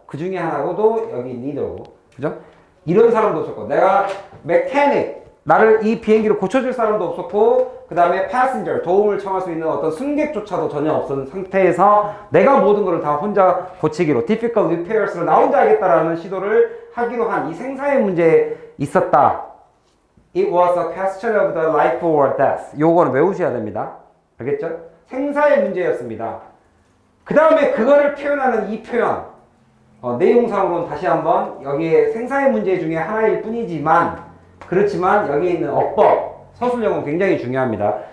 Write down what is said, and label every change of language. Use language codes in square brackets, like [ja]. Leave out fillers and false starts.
[ko] 그 중에 하나고도 여기 니더고, 그죠? 이런 사람도 없었고, 내가 메카닉, 나를 이 비행기를 고쳐줄 사람도 없었고, 그 다음에 패신저, 도움을 청할 수 있는 어떤 승객조차도 전혀 없은 상태에서 내가 모든 걸 다 혼자 고치기로, [en] difficult repairs [ko] 를 나 혼자 하겠다라는 시도를 하기로 한 이 생사의 문제에 있었다. [en] It was a question of the life or death. [ko] 요거는 외우셔야 됩니다. 알겠죠? 생사의 문제였습니다. 그 다음에 그거를 표현하는 이 표현. 내용상으로는 다시 한번 여기에 생사의 문제 중에 하나일 뿐이지만 그렇지만 여기에 있는 어법, 서술형은 굉장히 중요합니다.